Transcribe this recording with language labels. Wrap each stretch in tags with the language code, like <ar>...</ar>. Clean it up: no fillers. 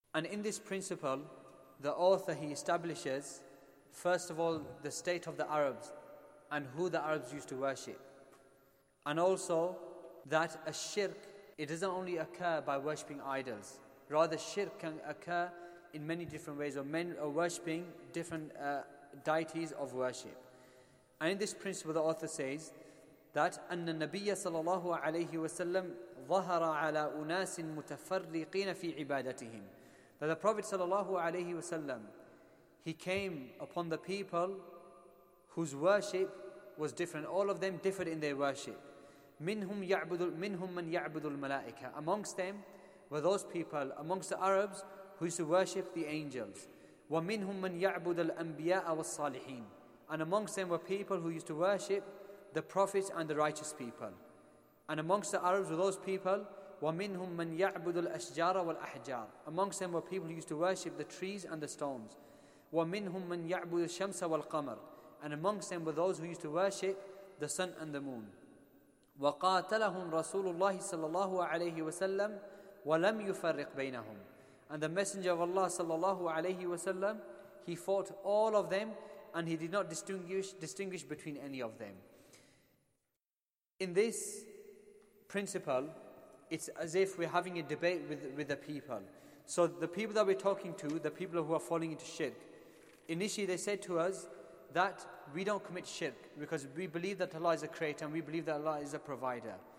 <en>And in this principle, the author, he establishes, first of all, the state of the Arabs and who the Arabs used to worship. And also that a shirk, it doesn't only occur by worshipping idols. Rather, shirk can occur in many different ways, or men are worshipping different deities of worship. And in this principle, the author says that</en> <ar>أن النبي صلى الله عليه وسلم ظهر على أناس متفرقين في عبادتهم.</ar> <en>That the Prophet</en> <ar>صلى الله عليه وسلم,</ar> <en>he came upon the people whose worship was different. All of them differed in their worship.</en> <ar>منهم من يعبد الملائكة.</ar> <en>Amongst them were those people, amongst the Arabs, who used to worship the angels.</en> <ar>ومنهم من يعبد الأنبياء والصالحين.</ar> <en>And amongst them were people who used to worship the prophets and the righteous people. And amongst the Arabs were those people,</en> <ar>ومنهم من يعبد الأشجار والأحجار.</ar> <en>Amongst them were people who used to worship the trees and the stones.</en> <ar>ومنهم من يعبد الشمس والقمر.</ar> <en>And amongst them were those who used to worship the sun and the moon.</en> <ar>وقاتلهم رسول الله صلى الله عليه وسلم ولم يفرق بينهم.</ar> <en>And the Messenger of Allah</en> <ar>صلى الله عليه وسلم,</ar> <en>he fought all of them and he did not distinguish between any of them. In this principle, it's as if we're having a debate with the people. So the people that we're talking to, the people who are falling into shirk, initially they said to us that we don't commit shirk because we believe that Allah is a creator and we believe that Allah is a provider.</en>